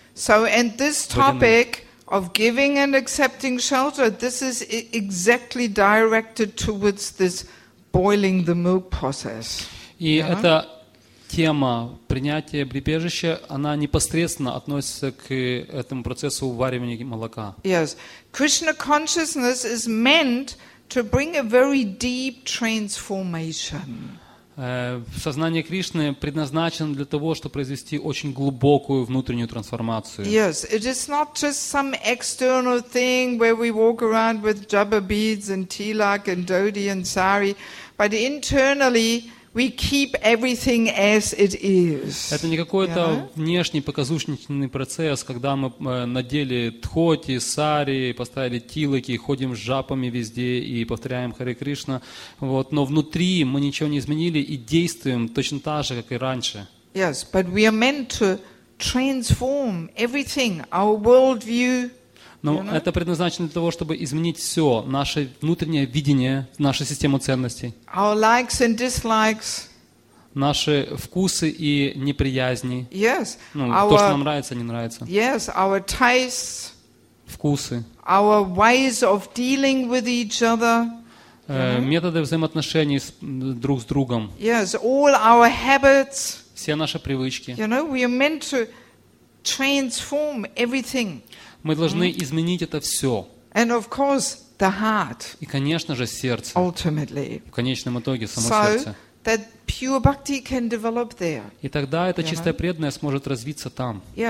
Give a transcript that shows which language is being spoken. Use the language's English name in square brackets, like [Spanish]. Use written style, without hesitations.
[English] So and this topic of giving and accepting shelter, this is exactly directed towards this boiling the milk process. [Russian] И это тема принятия прибежища, она непосредственно относится к этому процессу уваривания молока. [English] Yes. Krishna consciousness is meant to bring a very deep transformation. [Russian] Сознание Кришны предназначено для того, чтобы произвести очень глубокую внутреннюю трансформацию. [English] Yes, it is not just some external thing where we walk around with jaba beads and tilak and dhoti and sari, but internally We keep everything as it is. [Russian] Это не какой-то внешний показушничный процесс, когда мы надели тхоти, сари, поставили тилаки, ходим с жапами везде и повторяем Харе Кришна. Вот. Но внутри мы ничего не изменили и действуем точно так же, как и раньше. [English] Yes, but we are meant to transform everything, our worldview. [Russian] Но это предназначено для того, чтобы изменить все, наше внутреннее видение, нашу систему ценностей. [English] Our likes and dislikes. [Russian] Наши вкусы и неприязни. [English] Yes. [Russian] Ну, [English] our, [Russian] то, что нам нравится, не нравится. [English] Yes, our tastes. [Russian] Вкусы. [English] Our ways of dealing with each other. [Russian] Методы взаимоотношений с, друг с другом. [English] Yes, all our habits. [Russian] Все наши привычки. [English] You know, we are meant to transform everything. [Russian] Мы должны изменить это все. [English] And of course, the heart. [Russian] И, конечно же, сердце. [English] Ultimately. [Russian] В конечном итоге, само [English] so, [Russian] сердце. [English] That pure bhakti can develop there. [Russian] И тогда это чистое преданное сможет развиться там.